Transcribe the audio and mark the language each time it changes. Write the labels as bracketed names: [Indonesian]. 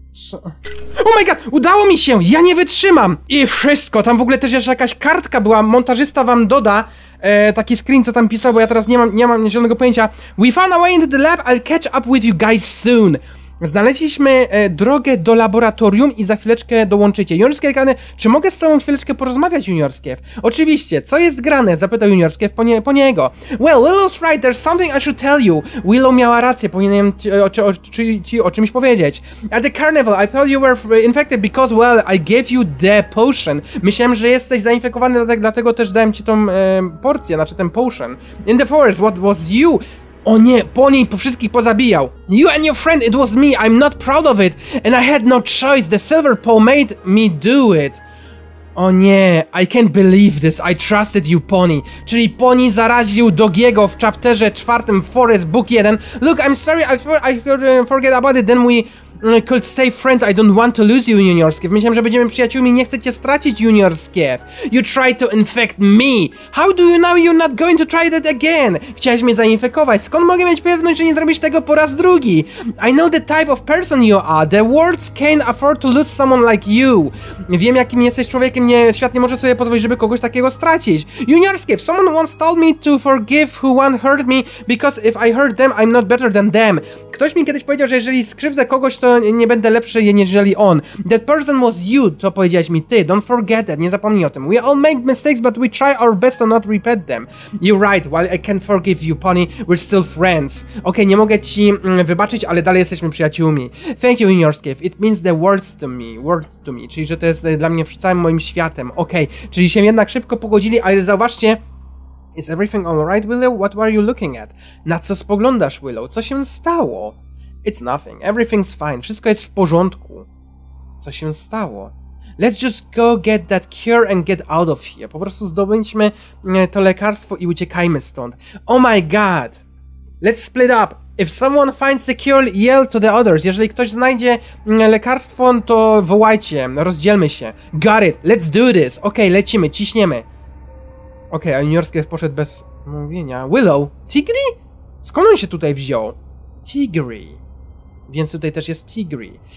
[Polish] Co? [English] Oh my god! [Polish] Udało mi się! Ja nie wytrzymam! I wszystko! Tam w ogóle też jeszcze jakaś kartka była. Montażysta wam doda taki screen, co tam pisał, bo ja teraz nie mam żadnego pojęcia. [English] We found a way into the lab, I'll catch up with you guys soon. [Polish] Znaleźliśmy drogę do laboratorium i za chwileczkę dołączycie. Juniorskie, czy mogę z tobą chwileczkę porozmawiać, Juniorskie? Oczywiście, co jest grane? Zapytał Juniorskie po niego. [English] Well, Willow's right, there's something I should tell you. [Polish] Willow miała rację, powinienem ci o czymś powiedzieć. [English] At the carnival, I thought you were infected because, well, I gave you the potion. [Polish] Myślałem, że jesteś zainfekowany, dlatego też dałem ci tą porcję, znaczy ten potion. [English] In the forest, what was you? [Polish] O nie, po niej po wszystkich pozabijał. [English] You and your friend, it was me, I'm not proud of it. And I had no choice, the silver pole made me do it. [Polish] O nie, [English] I can't believe this, I trusted you, Pony. [Polish] Czyli Pony zaraził Dogiego w chapterze 4, Forest Book 1. [English] Look, I'm sorry, I forget about it, then we could stay friends, I don't want to lose you, Juniorskiew. [Polish] Myślałem, że będziemy przyjaciółmi, nie chcecie stracić, Juniorskiew. [English] You tried to infect me. How do you know you're not going to try that again? [Polish] Chciałeś mnie zainfekować, skąd mogę mieć pewność, że nie zrobisz tego po raz drugi? [English] I know the type of person you are. The world can't afford to lose someone like you. [Polish] Wiem, jakim jesteś człowiekiem, nie, świat nie może sobie pozwolić, żeby kogoś takiego stracić. [English] Juniorskiew, someone once told me to forgive who once hurt me, because if I hurt them, I'm not better than them. [Polish] Ktoś mi kiedyś powiedział, że jeżeli skrzywdzę kogoś, to nie będę lepszy jeżeli on. [English] That person was you, [Polish] to powiedziałeś mi ty. [English] Don't forget that, [Polish] nie zapomnij o tym. [English] We all make mistakes, but we try our best to not repeat them. You're right, while I can't forgive you, Pony, we're still friends. [Polish] Okej, nie mogę ci wybaczyć, ale dalej jesteśmy przyjaciółmi. [English] Thank you, Juniorskiew. It means the world to me. [Polish] Czyli, że to jest dla mnie całym moim światem. Okej, czyli się jednak szybko pogodzili, ale zauważcie... [English] Is everything alright, Willow? What were you looking at? [Polish] Na co spoglądasz, Willow? Co się stało? [English] It's nothing. Everything's fine. [Polish] Wszystko jest w porządku. Co się stało? [English] Let's just go get that cure and get out of here. [Polish] Po prostu zdobędźmy to lekarstwo i uciekajmy stąd. [English] Oh my god! Let's split up! If someone finds the cure, yell to the others. [Polish] Jeżeli ktoś znajdzie lekarstwo, to wołajcie. Rozdzielmy się. [English] Got it! Let's do this! [Polish] Okej, lecimy, ciśniemy. Okej, a Juniorskiew poszedł bez mówienia. Willow? Tigri? Skąd on się tutaj wziął? Tigri. Więc tutaj też jest Tigri.